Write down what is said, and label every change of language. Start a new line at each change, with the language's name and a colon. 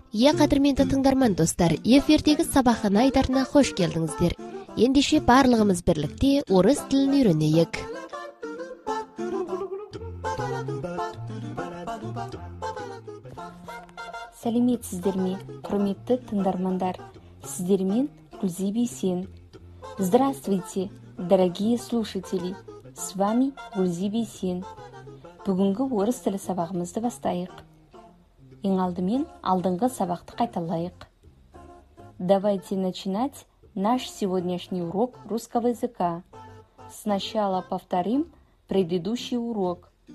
Kazakh: Я қадірменді тыңдарман, достар, ефірдегі сабақхана айдарына қош келдіңіздер. Ендеше, барлығымыз бірлікте орыс тілін үйренейік. Сәлеметсіздер ме, құрметті тыңдармандар. Сіздермен Гүлзибе Сен.
Russian: Здравствуйте, дорогие слушатели. С вами Гүлзибе Сен.
Kazakh: Бүгінгі орыс тілі сабағымызды бастайық. Ең алдымен алдыңғы сабақты қайталайық.
Russian: Давайте начинать наш сегодняшний урок русского языка. Сначала повторим предыдущий урок.